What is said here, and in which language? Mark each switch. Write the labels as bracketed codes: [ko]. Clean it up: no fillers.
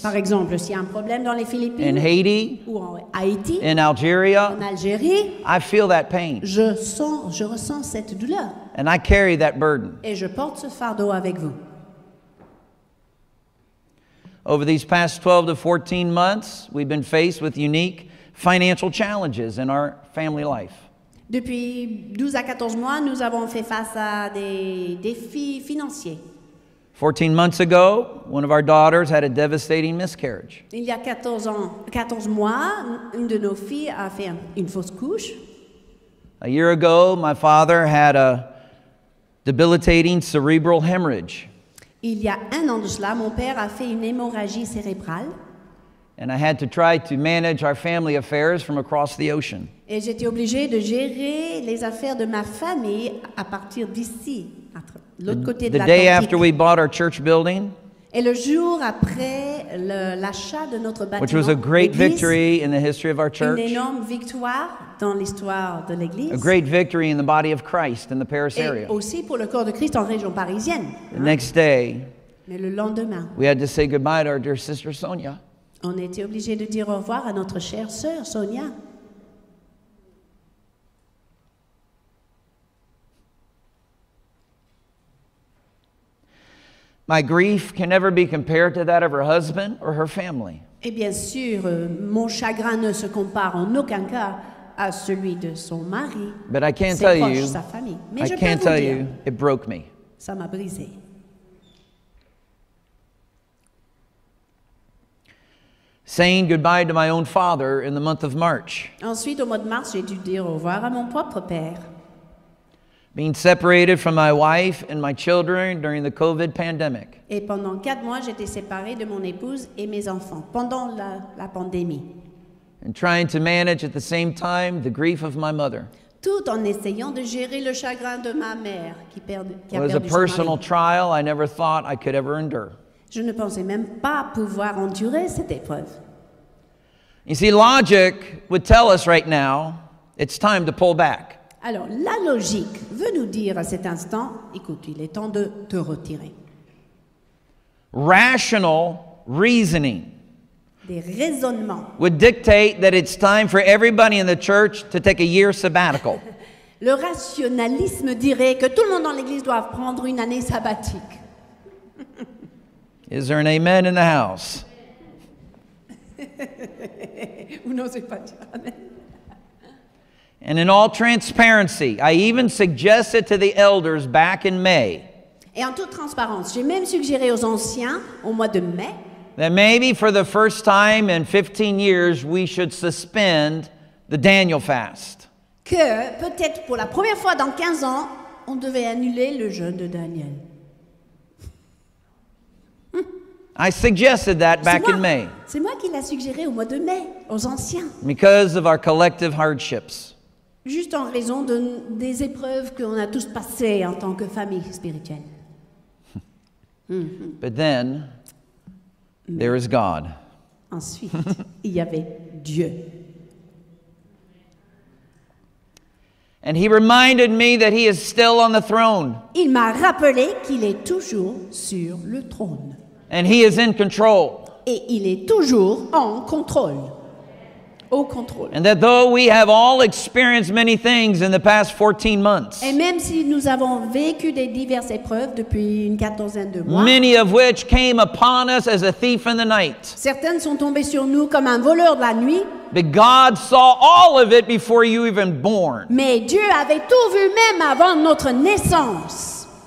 [fr] par exemple, s'il y a un problème dans les Philippines, [en] in Haiti, [fr] ou en Haïti, [en] in Algeria, [fr] en Algérie, [en] I feel that pain. [fr] Je ressens cette douleur. [en] And I carry that burden. [fr] Et je porte ce fardeau avec vous. [en] Over these past 12 to 14 months, we've been faced with unique financial challenges in our family life. [fr] Depuis 12 à 14 mois, nous avons fait face à des défis financiers. [en] 14 months ago, one of our daughters had a devastating miscarriage. [fr] Il y a 14 mois, une de nos filles a fait une fausse couche. [en] A year ago, my father had a debilitating cerebral hemorrhage. [fr] Il y a un an de cela, mon père a fait une hémorragie cérébrale. [en] And I had to try to manage our family affairs from across the ocean. [fr] Et j'étais obligé de gérer les affaires de ma famille à partir d'ici, à l'autre côté de l'Atlantique. [en] The day after we bought our church building. [fr] Et le jour après l'achat de notre bâtiment. [en] Which was a great victory in the history of our church. [fr] Une énorme victoire dans l'histoire de l'église. [en] A great victory in the body of Christ in the Paris area. [fr] Et aussi pour le corps de Christ en région parisienne. [en] The next day. [fr] Mais le lendemain. [en] We had to say goodbye to our dear sister Sonia. [fr] On était obligé de dire au revoir à notre chère sœur Sonia. [en] My grief can never be compared to that of her husband or her family. [fr] Et bien sûr, mon chagrin ne se compare en aucun cas à celui de son mari, [en] but I can't tell you, [fr] sa famille. Mais [en] I [fr] je [en] can't [fr] peux [en] tell [fr] vous dire, [en] you, it broke me. [fr] Ça m'a brisé. [en] Saying goodbye to my own father in the month of March. [fr] Ensuite, au mois de mars, j'ai dû dire au revoir à mon propre père. [en] Being separated from my wife and my children during the COVID pandemic. [fr] Et pendant 4 mois, j'étais séparée de mon épouse et mes enfants pendant la pandémie. [en] And trying to manage at the same time the grief of my mother. [fr] Tout en essayant de gérer le chagrin de ma mère qui a perdu son mari. [en] It was a personal trial I never thought I could ever endure. [fr] Je ne pensais même pas pouvoir endurer cette épreuve. [en] You see, logic would tell us right now, it's time to pull back. [fr] Alors, la logique veut nous dire à cet instant, écoute, il est temps de te retirer. [en] Rational reasoning. [fr] Des raisonnements. [en] Would dictate that it's time for everybody in the church to take a year sabbatical. [fr] Le rationalisme dirait que tout le monde dans l'église doit prendre une année sabbatique. [en] Is there an amen in the house? And in all transparency, I even suggested to the elders back in May. [fr] Et en toute transparence, j'ai même suggéré aux anciens au mois de mai [en] that maybe for the first time in 15 years we should suspend the Daniel fast. [fr] Que peut-être pour la première fois dans 15 ans, on devait annuler le jeûne de Daniel. [en] I suggested that back in May. [fr] C'est moi qui l'a suggéré au mois de mai aux anciens. [en] Because of our collective hardships. [fr] Juste en raison des épreuves qu'on a tous passées en tant que famille spirituelle. [en] But then, there is God. [fr] Ensuite, il y avait Dieu. [en] And he reminded me that he is still on the throne. [fr] Il m'a rappelé qu'il est toujours sur le trône. [en] And he is in control. [fr] Et il est toujours en contrôle. Au contrôle. [en] And that though we have all experienced many things in the past 14 months. [fr] Et même si nous avons vécu des diverses épreuves depuis une quatorzaine de mois. [en] Many of which came upon us as a thief in the night. [fr] Certaines sont tombées sur nous comme un voleur de la nuit. [en] But God saw all of it before you even born. [fr] Mais Dieu avait tout vu même avant notre naissance.